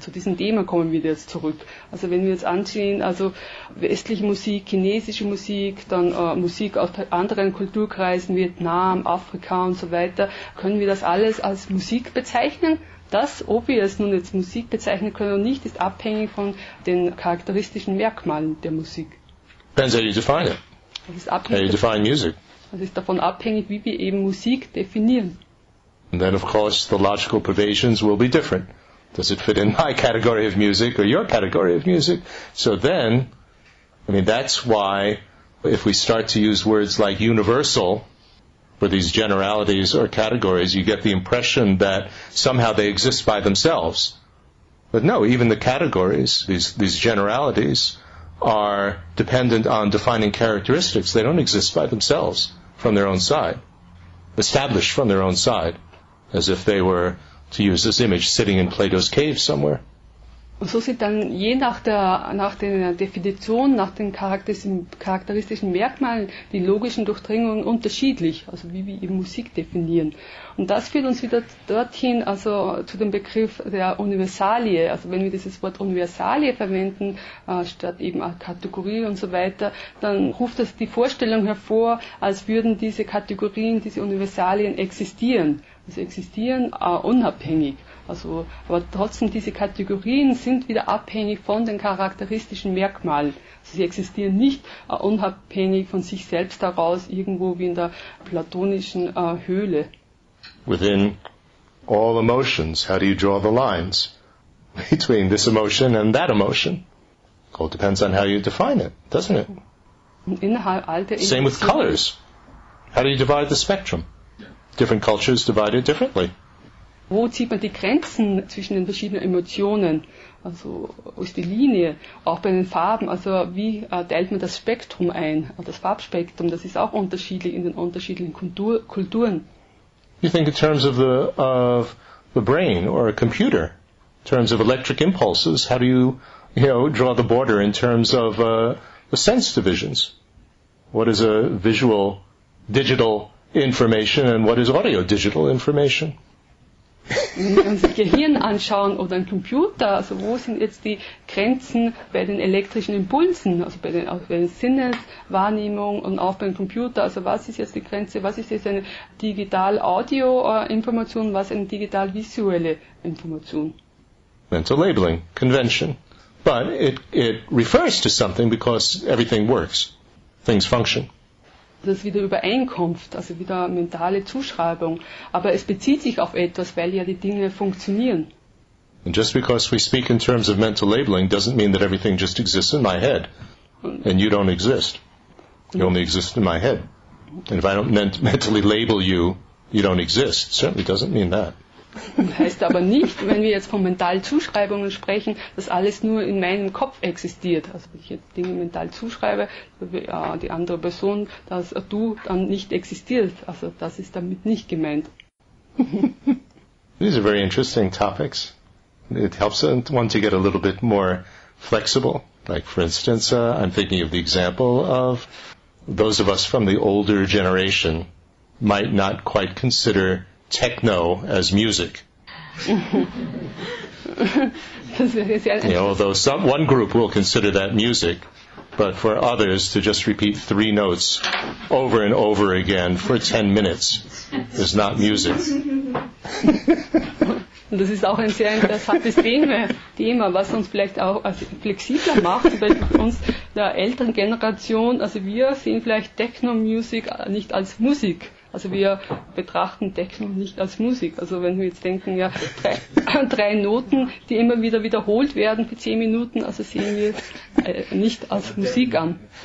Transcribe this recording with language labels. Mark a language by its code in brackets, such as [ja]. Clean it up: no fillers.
[de] Zu diesem Thema kommen wir jetzt zurück. Also wenn wir jetzt ansehen, also westliche Musik, chinesische Musik, dann Musik aus anderen Kulturkreisen, Vietnam, Afrika und so weiter, können wir das alles als Musik bezeichnen? Das, ob wir es nun jetzt Musik bezeichnen können oder nicht, ist abhängig von den charakteristischen Merkmalen der Musik. [en] Depends how you define it. [de] Das ist abhängig. [en] How you define music. [de] Das ist davon abhängig, wie wir eben Musik definieren. [en] And then, of course, the logical pervasions will be different. Does it fit in my category of music or your category of music? So then, I mean, that's why if we start to use words like universal for these generalities or categories, you get the impression that somehow they exist by themselves. But no, even the categories, these generalities, are dependent on defining characteristics. They don't exist by themselves. From their own side, established from their own side, as if they were, to use this image, sitting in Plato's cave somewhere. [de] Und so sind dann je nach der Definition, nach den charakteristischen Merkmalen, die logischen Durchdringungen unterschiedlich, also wie wir eben Musik definieren. Und das führt uns wieder dorthin, also zu dem Begriff der Universalie. Also wenn wir dieses Wort Universalie verwenden, statt eben auch Kategorie und so weiter, dann ruft das die Vorstellung hervor, als würden diese Kategorien, diese Universalien existieren. Also existieren unabhängig. Also, aber trotzdem, diese Kategorien sind wieder abhängig von den charakteristischen Merkmalen. Also sie existieren nicht unabhängig von sich selbst heraus, irgendwo wie in der platonischen Höhle. [en] Within all emotions, how do you draw the lines between this emotion and that emotion? Well, it depends on how you define it, doesn't it? [de] Innerhalb all der [en] Same with colors. How do you divide the spectrum? Different cultures divide it differently. [de] Wo zieht man die Grenzen zwischen den verschiedenen Emotionen? Also wo ist die Linie? Auch bei den Farben, also wie teilt man das Spektrum ein? Das Farbspektrum, das ist auch unterschiedlich in den unterschiedlichen Kulturen. [en] You think in terms of the brain or a computer, in terms of electric impulses, how do you, you know, draw the border in terms of the sense divisions? What is a visual digital information and what is audio digital information? [de] Wenn wir uns das Gehirn anschauen oder einen Computer, also wo sind jetzt die Grenzen bei den elektrischen Impulsen, also bei den Sinneswahrnehmung und auch beim Computer, also was ist jetzt die Grenze, was ist jetzt eine Digital-Audio-Information, was eine digital-visuelle Information? [en] Mental labeling, convention. But it refers to something because everything works, things function. [de] Das ist wieder Übereinkunft, also wieder mentale Zuschreibung. Aber es bezieht sich auf etwas, weil ja die Dinge funktionieren. [en] And just because we speak in terms of mental labeling doesn't mean that everything just exists in my head. And you don't exist. You only exist in my head. And if I don't mentally label you, you don't exist. Certainly doesn't mean that. [de] Heißt aber nicht, wenn wir jetzt von mentalen Zuschreibungen sprechen, dass alles nur in meinem Kopf existiert. Also wenn ich jetzt Dinge mental zuschreibe, ja, die andere Person, dass du dann nicht existierst. Also das ist damit nicht gemeint. [en] These are very interesting topics. It helps one to get a little bit more flexible. Like for instance, I'm thinking of the example of those of us from the older generation might not quite consider techno as music. Although one group will consider that music, but for others to just repeat three notes over and over again for 10 minutes is not music. [de] Und das ist auch ein sehr interessantes Thema, was uns vielleicht auch flexibler macht, weil uns der älteren Generation, also wir sehen vielleicht Techno-Music nicht als Musik. Also wir betrachten Techno nicht als Musik. Also wenn wir jetzt denken, ja, drei Noten, die immer wieder wiederholt werden für 10 Minuten, also sehen wir nicht als Musik an.